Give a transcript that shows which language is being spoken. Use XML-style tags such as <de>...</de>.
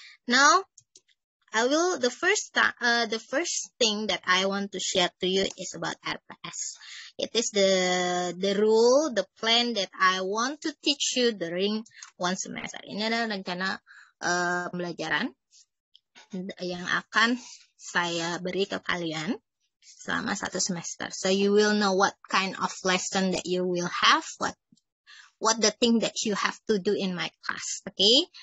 <en>Now, I will the first thing that I want to share to you is about RPS. It is the rule, the plan that I want to teach you during one semester.</en> <id>Ini adalah rencana pembelajaran yang akan saya beri ke kalian selama satu semester.</id> <en>So you will know what kind of lesson that you will have, what the thing that you have to do in my class, okay?</en>